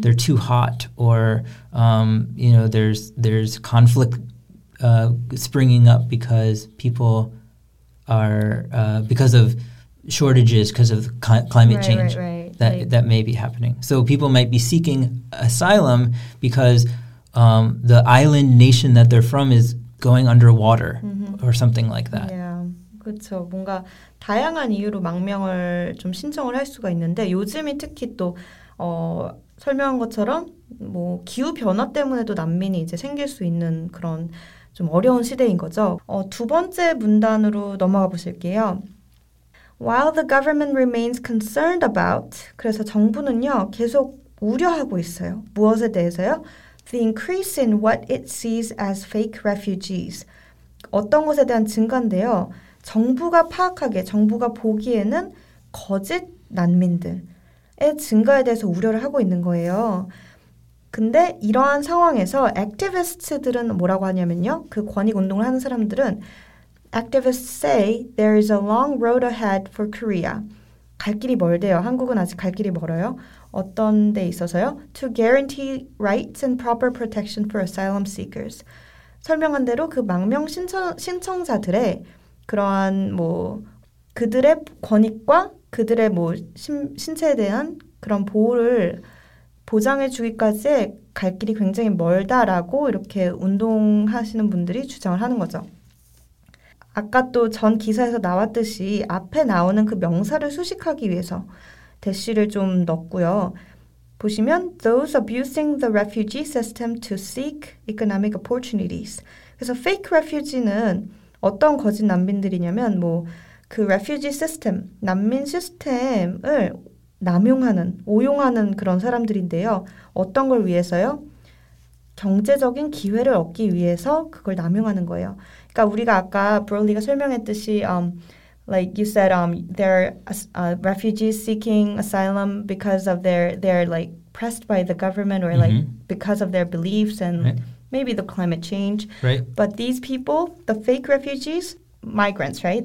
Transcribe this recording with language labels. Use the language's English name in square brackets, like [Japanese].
[English] They're too hot or, there's conflict springing up because people are because of shortages, because of climate change that may be happening. So people might be seeking asylum because the island nation that they're from is going underwater mm-hmm. or something like that. Yeah, [Korean] 그렇죠. 뭔가 다양한 이유로 망명을 좀 신청을 할 수가 있는데 요즘에 특히 또 설명한 것처럼 뭐 기후 변화 때문에도 난민이 이제 생길 수 있는 그런 좀 어려운 시대인 거죠. 두 번째 문단으로 넘어가 보실게요. [English] While the government remains concerned about, [Korean] 그래서 정부는요 계속 우려하고 있어요. 무엇에 대해서요? [English] The increase in what it sees as fake refugees. [Korean] 어떤 것에 대한 증가인데요. 정부가 파악하게, 정부가 보기에는 거짓 난민들의 증가에 대해서 우려를 하고 있는 거예요. 근데 이러한 상황에서 액티비스트들은 뭐라고 하냐면요. 그 권익운동을 하는 사람들은 [English] Activists say there is a long road ahead for Korea. [Korean] 갈 길이 멀대요. 한국은 아직 갈 길이 멀어요. 어떤 데 있어서요? [English] To guarantee rights and proper protection for asylum seekers. [Korean] 설명한 대로 그 망명 신청자들의 그러한 뭐 그들의 권익과 그들의 뭐 신체에 대한 그런 보호를 보장해 주기까지 갈 길이 굉장히 멀다라고 이렇게 운동하시는 분들이 주장을 하는 거죠. 아까 또 전 기사에서 나왔듯이 앞에 나오는 그 명사를 수식하기 위해서 대시를 좀 넣었고요. 보시면 [English] those abusing the refugee system to seek economic opportunities. [Korean] 그래서 fake refugee는 어떤 거짓 난민들이냐면 뭐 그 refugee system, 난민 시스템을 남용하는, 오용하는 그런 사람들인데요. 어떤 걸 위해서요? 경제적인 기회를 얻기 위해서 그걸 남용하는 거예요. 그러니까 우리가 아까 브롤리가 설명했듯이 [English] like you said there are refugees seeking asylum because of they're like pressed by the government or like mm-hmm. because of their beliefs and maybe the climate change. Right. But these people, the fake refugees, migrants, right?